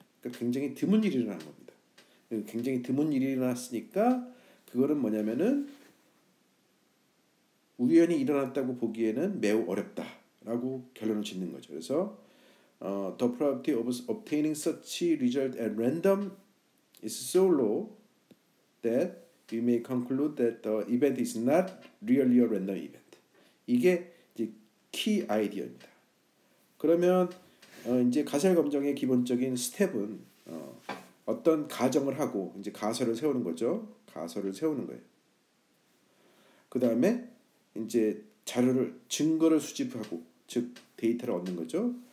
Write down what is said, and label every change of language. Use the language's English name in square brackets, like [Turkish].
[Korean] 그러니까 굉장히 드문 일이 일어난 겁니다. 굉장히 드문 일이 일어났으니까 그거는 뭐냐면은 우연히 일어났다고 보기에는 매우 어렵다라고 결론을 짓는 거죠. 그래서 [English] the probability of obtaining such result at random is so low that we may conclude that the event is not really a random event. [Korean] 이게 이제 key idea입니다. 그러면 이제 가설 검정의 기본적인 스텝은 어떤 가정을 하고 이제 가설을 세우는 거죠. 가설을 세우는 거예요. 그 다음에 이제 자료를 증거를 수집하고 즉 데이터를 얻는 거죠.